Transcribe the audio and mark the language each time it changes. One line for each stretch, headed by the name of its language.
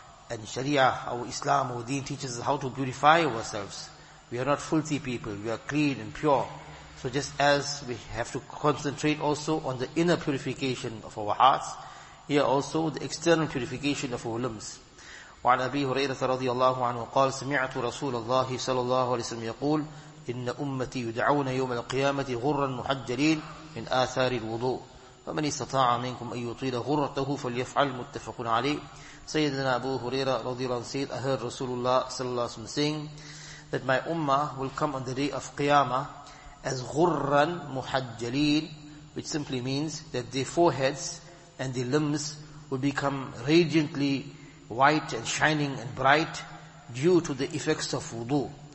English: And sharia, our Islam, our deen teaches us how to purify ourselves. We are not filthy people, we are clean and pure. So just as we have to concentrate also on the inner purification of our hearts, here also the external purification of our limbs.
Arabic: وعن أبي هريرة رضي الله عنه قال سمعت رسول الله صلى الله عليه وسلم يقول إن أمتي يدعون يوم القيامة غرا محجلين من آثار الوضوء فمن استطاع منكم أن يطيل غرته فليفعل. متفق عليه.
English: سيدنا أبو هريرة رضي الله عنه said, I heard رسول الله صلى الله عليه وسلم saying that my ummah will come on the day of Qiyamah as
Arabic: غرا محجلين,
English: which simply means that their foreheads and their limbs will become radiantly white and shining and bright due to the effects of wudu.